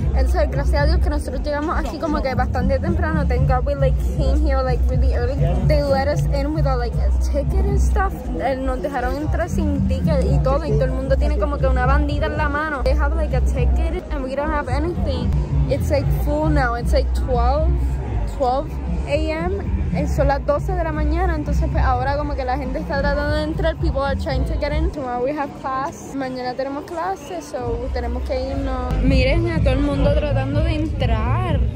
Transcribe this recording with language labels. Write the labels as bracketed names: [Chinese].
[Spanish] Entonces, gracias a Dios que nosotros llegamos aquí como que bastante temprano. [English] Thank God we like came here like really early. They let us in with a like a ticket and stuff. [Spanish] Nos dejaron entrar sin ticket y todo. Y todo el mundo tiene como que una bandita en la mano. [English] They have like a ticket and we don't have anything. It's like full now. It's like 12 a.m. [Spanish] Son las 12 de la mañana, entonces pues ahora como que la gente está tratando de entrar. [English] People are trying to get in. Tomorrow we have class. Mañana tenemos clases, so tenemos que irnos. [Spanish] Miren a todo el mundo tratando de entrar.